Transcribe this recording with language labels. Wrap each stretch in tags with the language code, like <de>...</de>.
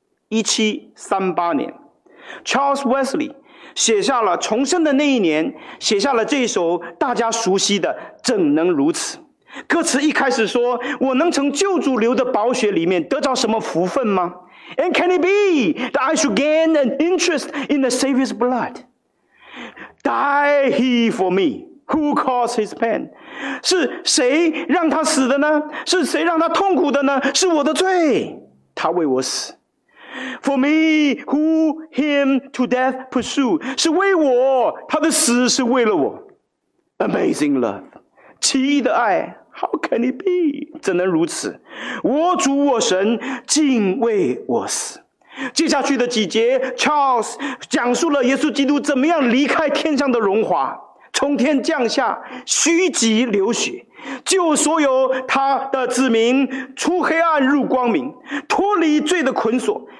<zh>1738年 Charles Wesley 写下了重生的那一年，写下了这一首大家熟悉的怎能如此。歌词一开始说，我能从救主流的宝血里面得着什么福分吗？</zh> <en>And can it be that I should gain an interest in the Savior's blood? Die he for me, who caused his pain?</en> <zh>是谁让他死的呢？是谁让他痛苦的呢？是我的罪，他为我死。</zh> <en>For me, who him to death pursue?</en> <zh>是为我，他的死是为了我。</zh> <en>Amazing love,</en> <zh>奇异的爱。</zh> <en>How can it be?</en> <zh>怎能如此？我主我神，竟为我死。接下去的几节 ，Charles 讲述了耶稣基督怎么样离开天上的荣华，从天降下，虚极流血，救所有他的子民出黑暗入光明，脱离罪的捆锁。</zh>